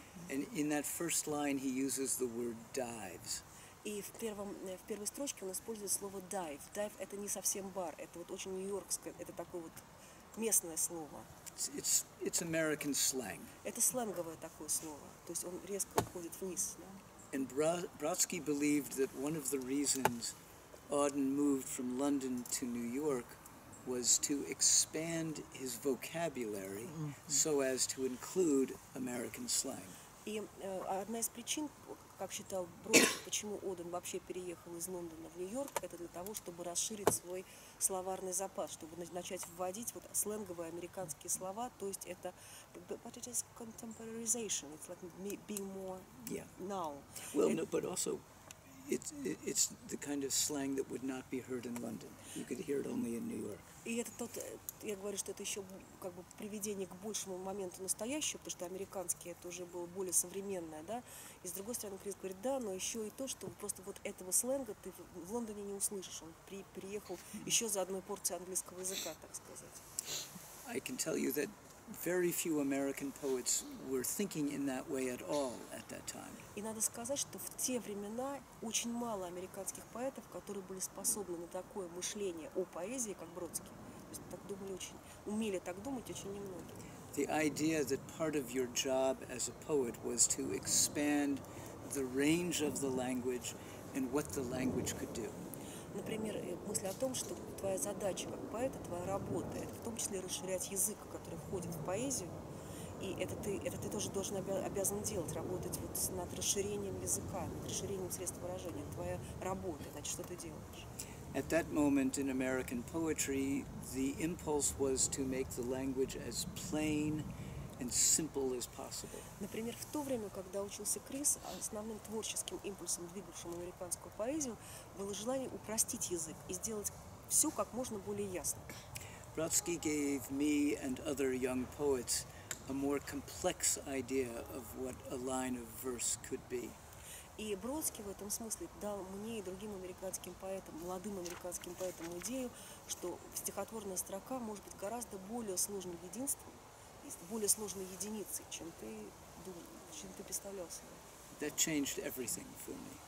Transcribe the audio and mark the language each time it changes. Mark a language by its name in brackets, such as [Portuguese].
[English] And in that first line he uses the word dives. [Russian] И в первой строчке он использует слово dive. Dive – это не совсем бар, это вот очень нью-йоркское, это такое вот местное слово. [English] It's American slang. [Russian] Это сленговое такое слово, то есть он резко уходит вниз. Да? [English] And Brodsky believed that one of the reasons Auden moved from London to New York was to expand his vocabulary so as to include American slang. [Russian] И одна из причин, как считал Бродский, почему Оден вообще переехал из Лондона в Нью-Йорк, это для того, чтобы расширить свой словарный запас, чтобы начать вводить вот сленговые американские слова, то есть это... [English] But it is contemporization, it's like being more now. Well, no, but also it's the kind of slang that would not be heard in London. You could hear it only in New York. [Russian] И это тот, я говорю, что это еще как бы приведение к большему моменту настоящего, потому что американский это уже было более современное, да. И с другой стороны, Крис говорит, да, но еще и то, что просто вот этого сленга ты в Лондоне не услышишь. Он приехал еще за одной порцией английского языка, так сказать. [English] I can tell you that very few American poets were thinking in that way at all at that time. [Russian] И надо сказать, что в те времена очень мало американских поэтов, которые были способны на такое мышление о поэзии, как Бродский. То есть так думали очень, умели так думать очень немногие. [English] The idea that part of your job as a poet was to expand the range of the language and what the language could do. [Russian] Например, мысль о том, что твоя задача как поэта, твоя работа, это в том числе расширять язык, который входит в поэзию, и это ты тоже должен обязан делать, работать вот над расширением языка, над расширением средств выражения, это твоя работа, значит, что ты делаешь. [English] At that moment in American poetry, the impulse was to make the language as plain and simple as possible. [Russian] Например, в то время, когда учился Крис, основным творческим импульсом, двигавшим американскую поэзию, было желание упростить язык и сделать все как можно более ясно. [English] Brodsky gave me and other young poets a more complex idea of what a line of verse could be. [Russian] И Бродский в этом смысле дал мне и другим американским поэтам, молодым американским поэтам идею, что стихотворная строка может быть гораздо более сложным единством, более сложной единицы, чем ты думал, чем ты представлял себе. [English] That changed everything for me.